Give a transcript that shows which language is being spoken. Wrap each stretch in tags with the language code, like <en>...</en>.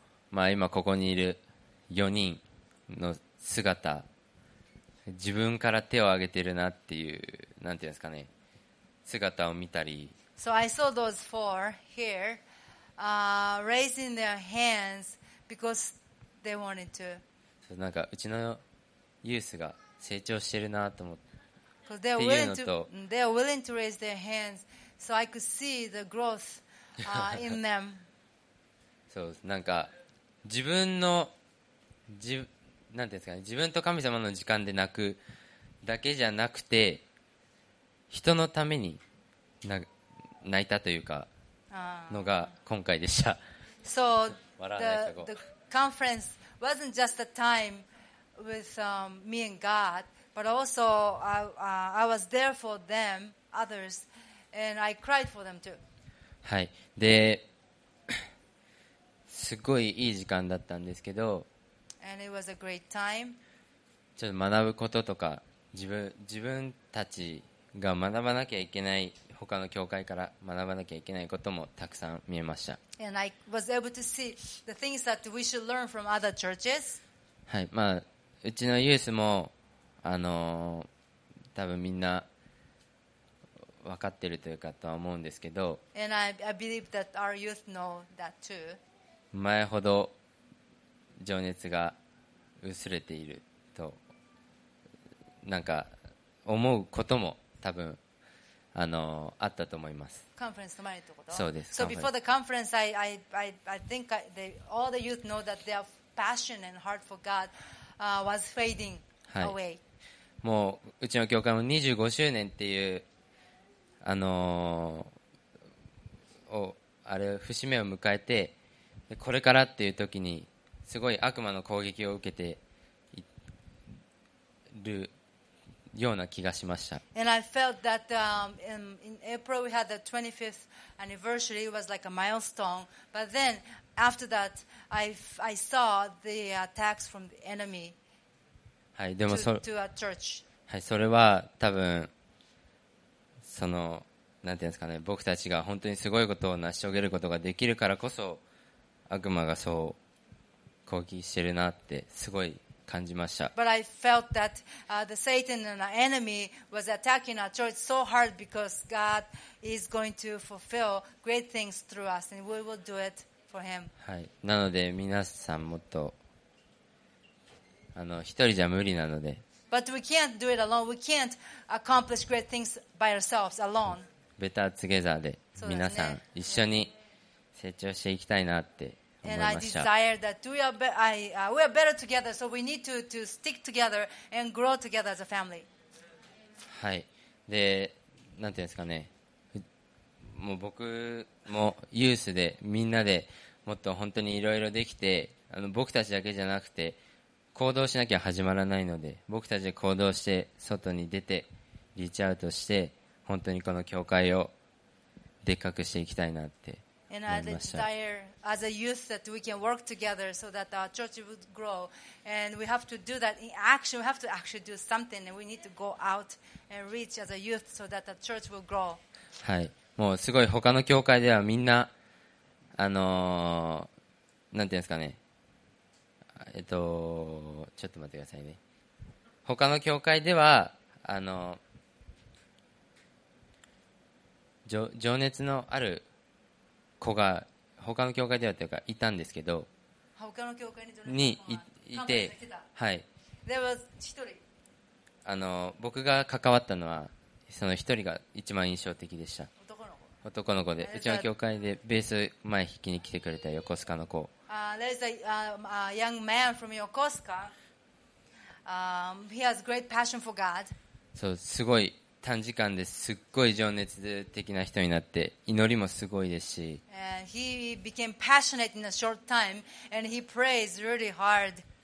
<ja>まあ、今ここにいる4人の姿、自分から手を挙げてるなっていう、なんていうんですかね、姿を見たり、</ja> <en>So I saw those four here, raising their hands because they wanted to.</en> <ja>そう、なんかうちのユースが成長してるなと思って、っていうのと、</ja> <en>they are willing to raise their hands so I could see the growth, in them.</en> <ja>そう、なんか自分の自分と神様の時間で泣くだけじゃなくて、人のために泣いたというかのが今回でした。</ja> <en>So the conference wasn't just a time with me and God, but also I was there for them, others, and I cried for them too.</en> <ja>はい。で、すごいいい時間だったんですけど、</ja> <en>And it was a great time.</en> <ja>ちょっと学ぶこととか、自分たちが学ばなきゃいけない、他の教会から学ばなきゃいけないこともたくさん見えました。</ja> <en>And I was able to see the things that we should learn from other churches.</en> <ja>はい、まあ、うちのユースも多分みんな分かってるというかとは思うんですけど、</ja> <en>And I believe that our youth know that too.</en> <ja>前ほど情熱が薄れていると、なんか思うことも多分あったと思います。コンフェレンスの前ってこと、そうです。</ja> <en>So before the conference, I think all the youth know that their passion and heart for God was fading away、はい、</en> <ja>もううちの教会も25周年っていうあれ節目を迎えて、これからっていう時にすごい悪魔の攻撃を受けているような気がしました。</ja> <en>And I felt that in April we had the 25th anniversary. It was like a milestone. But then after that I saw the attacks from the enemy to a church.</en> <ja>はい、それは多分なんていうんですかね、僕たちが本当にすごいことを成し遂げることができるからこそ、悪魔がそう攻撃してるなってすごい感じました。</ja> <en>But I felt that the Satan and the enemy was attacking our church so hard because God is going to fulfill great things through us and we will do it for him.</en> <ja>はい。なので皆さんもっと一人じゃ無理なので。</ja> <en>But we can't do it alone. We can't accomplish great things by ourselves alone. Better together</en> <ja>で皆さん一緒に。成長していきたいなって思いました。</ja> <en>And I desire that we are better together, so we need to stick together and grow together as a family.</en> <ja>はい。で、なんていうんですかね。もう僕もユースでみんなでもっと本当にいろいろできて、僕たちだけじゃなくて行動しなきゃ始まらないので、僕たちで行動して外に出てリーチアウトして、本当にこの教会をでっかくしていきたいなって。</ja> <en>And I desire as a youth that we can work together so that our church would grow. And we have to do that in action. We have to actually do something. And we need to go out and reach as a youth so that the church will grow.</en> <ja>はい。もうすごい他の教会ではみんな、なんていうんですかね。ちょっと待ってくださいね。他の教会では、情熱のある子が他の教会ではというかいたんですけど、他の教会にいて、はい、</ja> <en>There was</en> <ja>一人、僕が関わったのはその一人が一番印象的でした。男の子。男の子で、うちの教会でベース前弾きに来てくれた横須賀の子。</ja> <en>There's a young man from Yokosuka. He has great passion for God.</en> <ja>そう、すごい短時間ですっごい情熱的な人になって、祈りもすごいですし。</ja> <en>And he became passionate in a short time, and he prays really hard.</en>